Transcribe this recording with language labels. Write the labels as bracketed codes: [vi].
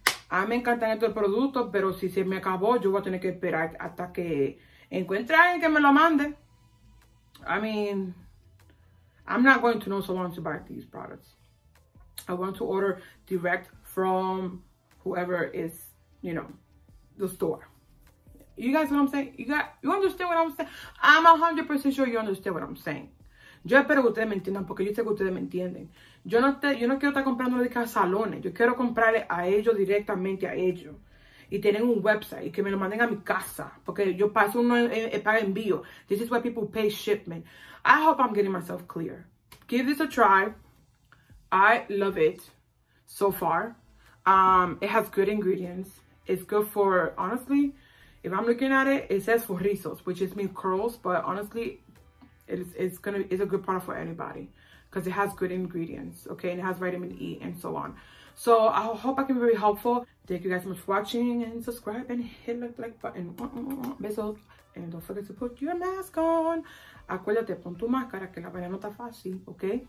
[es] A mí me encantan estos productos, pero si se me acabó, yo voy a tener que esperar hasta que encuentre a alguien que me lo mande. [en] I mean, I'm not going to no salon to buy these products. I want to order direct from whoever is, you know, the store. You guys know what I'm saying? You understand what I'm saying? I'm 100% sure you understand what I'm saying. [es] Yo espero que ustedes me entiendan porque yo sé que ustedes me entienden. Yo no quiero estar comprando de cada salones. Yo quiero comprarle a ellos directamente a ellos. Y tienen un website y que me lo manden a mi casa. Porque yo paso uno para envío. [en] This is why people pay shipment. I hope I'm getting myself clear. Give this a try. I love it so far. It has good ingredients. It's good for, honestly, if I'm looking at it, it says for rizos, which is means curls, but honestly, it's a good product for anybody because it has good ingredients, okay? And it has vitamin E and so on. So I hope I can be very helpful. Thank you guys so much for watching and subscribe and hit the like button. Besos. And don't forget to put your mask on. [es] Acuérdate, pon tu máscara, que la vaina no está fácil, ¿ok?